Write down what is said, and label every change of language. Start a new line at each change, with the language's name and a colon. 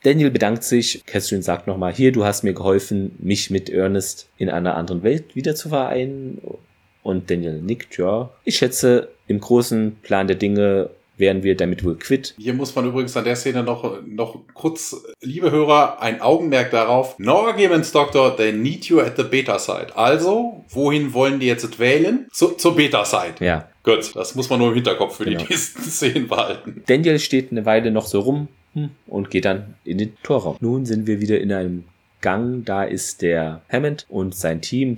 German: Daniel bedankt sich. Catherine sagt nochmal, hier, du hast mir geholfen, mich mit Ernest in einer anderen Welt wieder zu vereinen. Und Daniel nickt, ja. Ich schätze, im großen Plan der Dinge wären wir damit wohl quitt. Hier muss man übrigens an der Szene noch kurz, liebe Hörer, ein Augenmerk darauf.
English: No arguments, Doctor, they need you at the beta side.
German: Also, wohin wollen die jetzt wählen? Zur beta side. Ja. Gut, das muss man nur im Hinterkopf für die nächsten Szenen behalten. Daniel steht eine Weile noch so rum und geht dann in den Torraum. Nun sind wir wieder in einem Gang. Da ist der Hammond und sein Team.